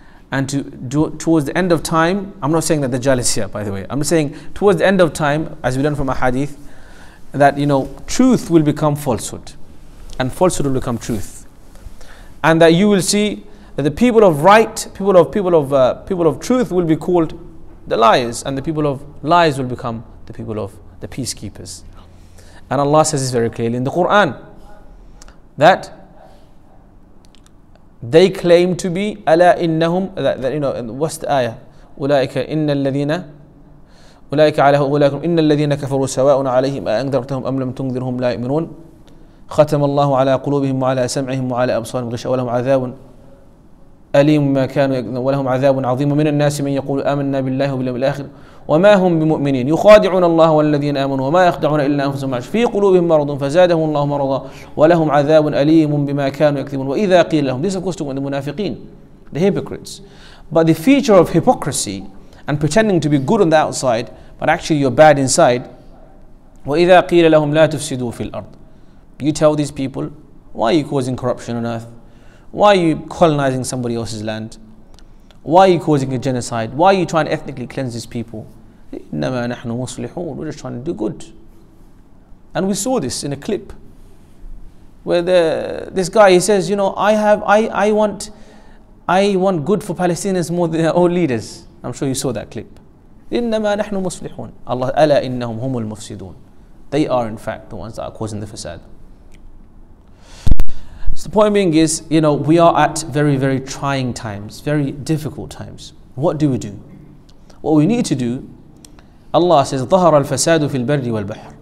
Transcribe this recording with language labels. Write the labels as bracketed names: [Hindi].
[English] And to do towards the end of time, I'm not saying that Dajjal is here, by the way. I'm saying towards the end of time, as we learn from a hadith, that, you know, truth will become falsehood, and falsehood will become truth, and that you will see that the people of right, people of truth, will be called the liars, and the people of lies will become the people of the peacekeepers. And Allah says this very clearly in the Quran, that they claim to be [Arabic] ala innahum, [English] that you know, what's the ayah? [Arabic] Ulaika innal ladhina. أولئك على أولئكم إن الذين كفروا سواء عليهم أأنذرتهم أم لم تنذرهم لا يؤمنون ختم الله على قلوبهم وعلى سمعهم وعلى أبصارهم غشاوة ولهم عذاب أليم ما كانوا ولهم عذاب عظيم من الناس من يقول آمنا بالله وباليوم الآخر وما هم بمؤمنين يخادعون الله والذين آمنوا وما يخدعون إلا أنفسهم في قلوبهم مرض فزادهم الله مرضا ولهم عذاب أليم بما كانوا يكذبون وإذا قيل لهم [English] this is the [Arabic] منافقين, [English] the hypocrites. But the feature of hypocrisy and pretending to be good on the outside, but actually you're bad inside. [Arabic] وَإِذَا قِيلَ لَهُمْ لَا تُفْسِدُوا فِي الْأَرْضِ. [English] You tell these people, why are you causing corruption on earth? Why are you colonizing somebody else's land? Why are you causing a genocide? Why are you trying to ethnically cleanse these people? [Arabic] إِنَّمَا نَحْنُ مُصْلِحُونَ. [English] We're just trying to do good. And we saw this in a clip where this guy says, you know, I want good for Palestinians more than our leaders. I'm sure you saw that clip. [Arabic] إِنَّمَا نَحْنُ مُصْلِحُونَ. Allah, أَلَا إِنَّهُمْ هُمُ الْمُفْسِدُونَ. [English] They are in fact the ones that are causing the facade. So the point being is, you know, we are at very, very trying times, very difficult times. What do we do? What we need to do, Allah says, [Arabic] ظَهَرَ الْفَسَادُ فِي الْبَرِّ وَالْبَحْرِ.